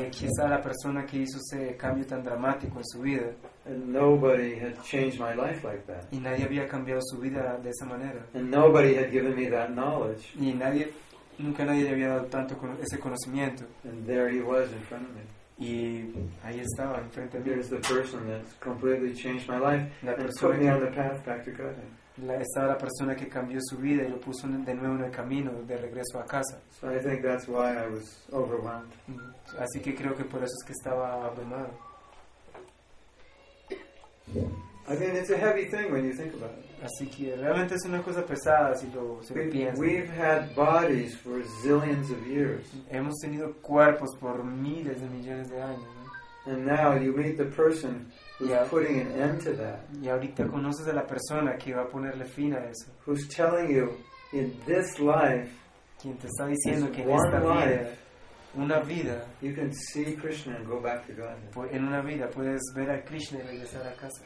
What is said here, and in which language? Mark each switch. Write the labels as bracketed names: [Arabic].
[Spanish] Y aquí está la persona que hizo ese cambio tan dramático en su vida. [English] And nobody had changed my life like that. [Spanish] Y nadie había cambiado su vida de esa manera. [English] And nobody had given me that knowledge. [Spanish] Y nadie... Nunca nadie le había dado tanto ese conocimiento. [English] And there he was in front of me. [Spanish] Y ahí estaba, enfrente de mí. [English] Here's the person that's completely changed my life and put me on the path back to Godhead. [Spanish] Estaba la persona que cambió su vida y lo puso de nuevo en el camino de regreso a casa. [English] So I think that's why I was overwhelmed. [Spanish] Así que creo que por eso es que estaba abrumado. [English] I mean, it's a heavy thing when you think about it. [Spanish] Así que realmente es una cosa pesada si lo piensas. [English] We've had bodies for zillions of years. [Spanish] Hemos tenido cuerpos por miles de millones de años. ¿No? [English] And now you meet the person who's putting an end to that. [Spanish] Y ahorita conoces a la persona que va a ponerle fin a eso. [English] Who's telling you in this life? [Spanish] Quien te está diciendo que en esta vida, una vida, [English] you can see Krishna and go back to God. [Spanish] En una vida puedes ver a Krishna y regresar a casa.